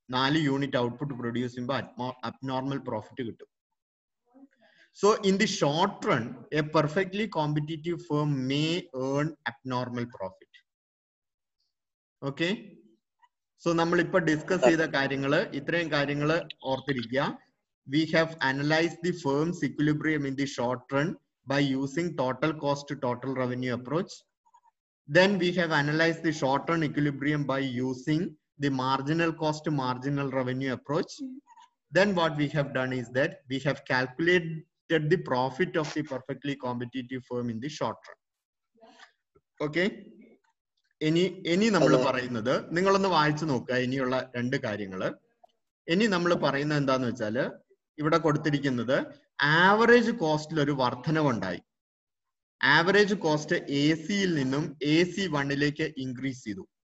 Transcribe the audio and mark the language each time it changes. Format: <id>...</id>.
<ml>4 unit output produce ചെയ്യുമ്പോൾ abnormal profit കിട്ടും.</ml> <en>So in the short run a perfectly competitive firm may earn abnormal profit.</en> <ml>Okay, so നമ്മളിപ്പോ discuss ചെയ്ത കാര്യങ്ങള് ഇത്രയും കാര്യങ്ങള് ഓർത്തിരിക്കുക.</ml> <en>We have analyzed the firm's equilibrium in the short run by using total cost to total revenue approach. Then we have analyzed the short run equilibrium by using the marginal cost to marginal revenue approach. Then what we have done is that we have calculated the profit of the perfectly competitive firm in the short run. Okay?</en> <ml>ഇനി നമ്മൾ പറയുന്നത് നിങ്ങളൊന്ന് വായിച്ചു നോക്കുക. ഇനിയുള്ള രണ്ട് കാര്യങ്ങൾ ഇനി നമ്മൾ പറയുന്നത് എന്താണെന്ന് വെച്ചാൽ, ഇവിടെ കൊടുത്തിരിക്കുന്നത് ആവറേജ് കോസ്റ്റിൽ ഒരു വർധനവ് ഉണ്ടായി. ആവറേജ് കോസ്റ്റ് എ സിയിൽ നിന്നും എ സി വണ്ണിലേക്ക് ഇൻക്രീസ് ചെയ്തു.</ml>